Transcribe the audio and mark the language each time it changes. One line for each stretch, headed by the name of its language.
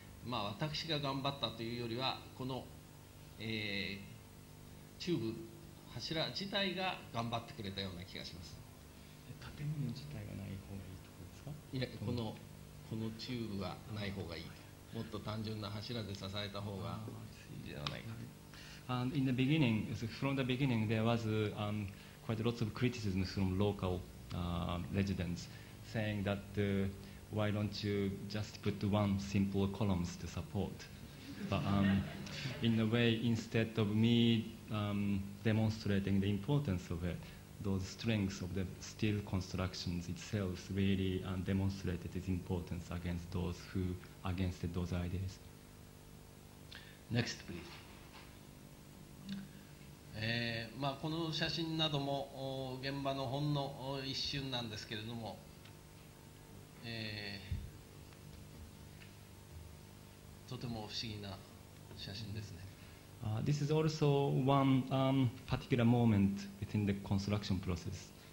Japanese: まあ、私が頑張ったというよりはこの、チューブ柱自体が頑張ってくれたような気がします。建物自体がない方がいいところですか。いや、このチューブはない方がいい。もっと単純な柱で支えた方がいいではないか。
English: And in the beginning, from the beginning, there was quite lots of criticism from local residents saying that why don't you just put one simple columns to support? But in a way, instead of me demonstrating the importance of it, those strengths of the steel constructions itself really demonstrated its importance against those who against those ideas. Next, please.
Japanese: まあ、この写真なども現場のほんの一瞬なんですけれども、とても不思議な写真ですね。
English: This is also one particular moment within the construction process.